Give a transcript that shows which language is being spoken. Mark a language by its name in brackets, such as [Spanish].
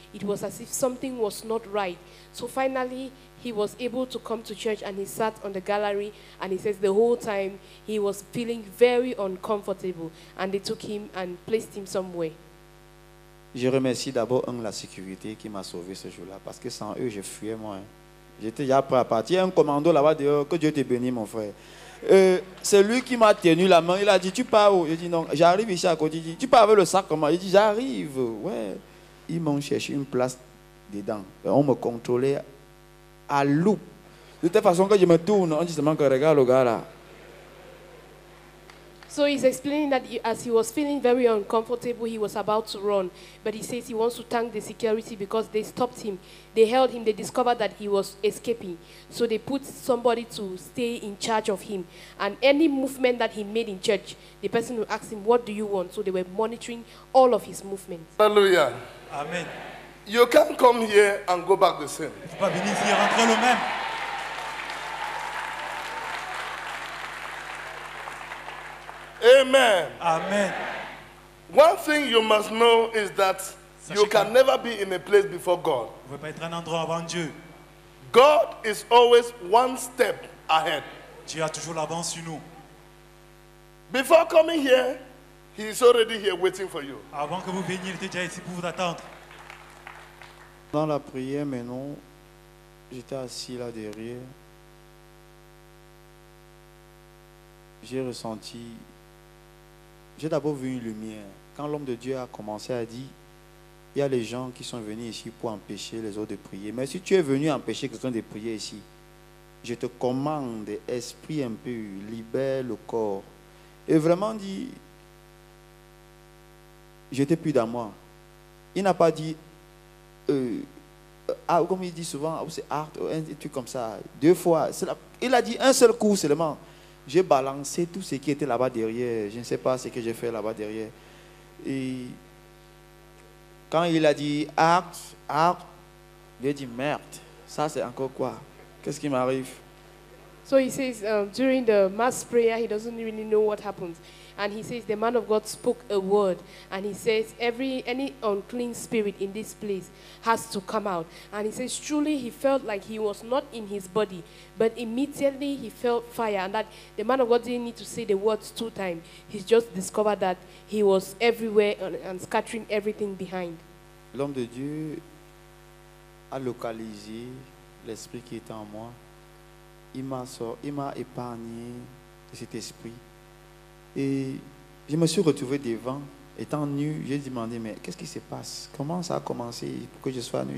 [English] It was as if something was not right. So finally, he was able to come to church and he sat on the gallery and he says the whole time he was feeling very uncomfortable and they took him and placed him somewhere. [French] Je remercie d'abord la sécurité qui m'a sauvé ce jour-là parce que sans eux, je fuyais moi. J'étais déjà prêt à partir. Il y a un commando là-bas dehors. Que Dieu te bénisse, mon frère. C'est lui qui m'a tenu la main. Il a dit, tu pars où? J'ai dit, non, j'arrive ici à côté. Il dit, tu pars avec le sac comment? J'ai dit, j'arrive. Ouais. Ils m'ont cherché une place dedans. On me contrôlait à loup. De toute façon, quand je me tourne, on dit seulement que regarde le gars là. [English] So he's explaining that as he was feeling very uncomfortable, he was about to run. But he says he wants to thank the security because they stopped him. They held him. They discovered that he was escaping. So they put somebody to stay in charge of him. And any movement that he made in church, the person would ask him, what do you want? So they were monitoring all of his movements. Hallelujah. Amen. You can't come here and go back the same. [French] Tu peux venir ici et rentrer le même. [English] Amen. Amen. One thing you must know is that you can never be in a place before God. [French] Vous pouvez pas être un endroit avant Dieu. [English] God is always one step ahead. [French] Dieu a toujours l'avance sur nous. [English] Before coming here, he is already here waiting for you. [French] Avant que vous veniez, il était déjà ici pour vous attendre. Dans la prière, mais non, j'étais assis là derrière. J'ai ressenti. J'ai d'abord vu une lumière. Quand l'homme de Dieu a commencé à dire, il y a les gens qui sont venus ici pour empêcher les autres de prier. Mais si tu es venu empêcher quelqu'un de prier ici, je te commande, esprit impur, libère le corps. Et vraiment dit, j'étais plus dans moi. Il n'a pas dit, comme il dit souvent, c'est art, un truc comme ça, deux fois. Il a dit un seul coup seulement. J'ai balancé tout ce qui était là-bas derrière. Je ne sais pas ce que j'ai fait là-bas derrière. Et quand il a dit acte, acte, j'ai dit merde. Ça c'est encore quoi? Qu'est-ce qui m'arrive? [English] So he says during the mass prayer, he doesn't really know what happens. And he says the man of God spoke a word, and he says any unclean spirit in this place has to come out. And he says truly he felt like he was not in his body, but immediately he felt fire, and that the man of God didn't need to say the words two times. He just discovered that he was everywhere and scattering everything behind. [French] L'homme de Dieu a localisé l'esprit qui était en moi. Il m'a épargné de cet esprit. Et je me suis retrouvé devant, étant nu. J'ai demandé, mais qu'est-ce qui se passe? Comment ça a commencé pour que je sois nu?